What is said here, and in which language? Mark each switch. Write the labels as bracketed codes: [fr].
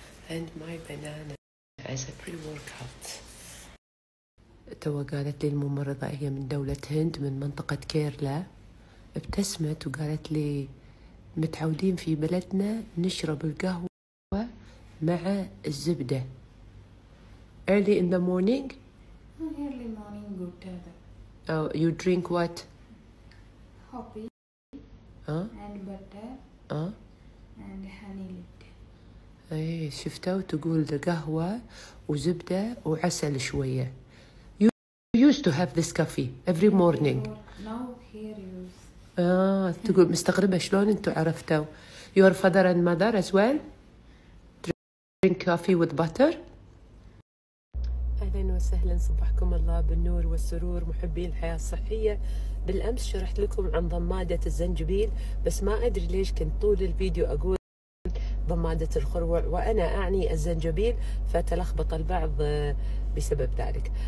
[en] And my banana as a pre-workout. [ar] تو قالت لي الممرضة هي من دولة هند من منطقة كيرلا، ابتسمت وقالت لي متعودين في بلدنا نشرب القهوة مع الزبدة. [en] Early in the morning. Early morning good. Oh, you drink what? Hoppy. And butter. And honey. [ar] اي شفته، وتقول قهوة وزبدة وعسل شوية. [en] You used to have this coffee every morning. Now here you. [ar] تقول مستغربة شلون انتو عرفتوا. [en] Your father and mother as well drink coffee with butter. [ar] اهلا وسهلا، صبحكم الله بالنور والسرور محبين الحياة الصحية. بالامس شرحت لكم عن ضمادة الزنجبيل، بس ما ادري ليش كنت طول الفيديو اقول ضمادة الخروع وأنا أعني الزنجبيل، فتلخبط البعض بسبب ذلك.